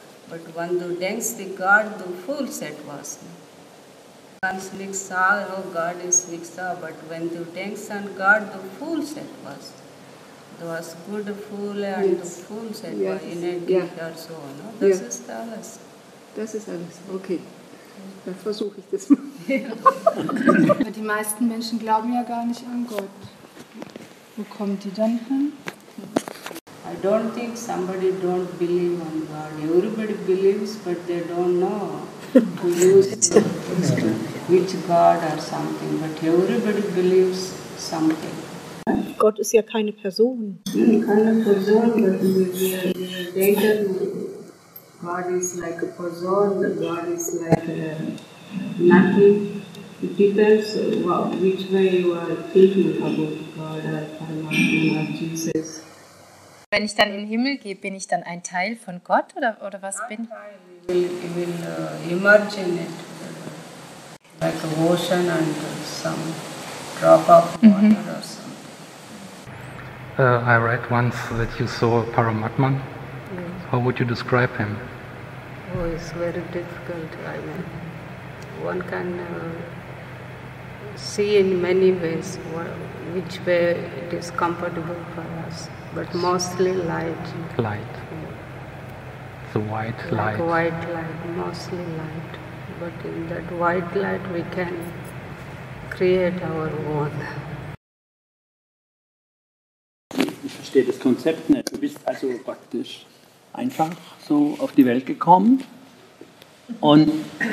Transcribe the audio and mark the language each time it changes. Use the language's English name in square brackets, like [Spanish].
[English] But when [German] du denkst, die God, du fühlst etwas. Du kannst nichts sagen, [English] oh God is [German] nichts da, [English] but when [German] du denkst an God, du fühlst etwas. Du hast good fühle und du fühlst etwas in der Gegend oder so. No? Das ist alles. Das ist alles, okay. Dann versuche ich das mal. Ja. Aber die meisten Menschen glauben ja gar nicht an Gott. Wo kommen die dann hin? [English] I don't think somebody don't believe on God. Everybody believes, but they don't know who is which God or something. But everybody believes something. [German] Gott ist ja keine Person. Keine Person, [English] but we think God is like a person, God is like nothing. It depends which way you are thinking about God or Paramatma or Jesus. [German] Wenn ich dann in den Himmel gehe, bin ich dann ein Teil von Gott oder was bin [English] ich? Will emerge in it, like a ocean and some drop of water or something. I read once that you saw Paramatman. Yes. How would you describe him? Oh, it's very difficult. I mean, one can see in many ways which way it is comfortable for us. But mostly light. Light. Yeah. The white like light. White light, mostly light. But in that white light we can create our own. [German] Ich verstehe das Konzept nicht. Du bist also praktisch einfach so auf die Welt gekommen und...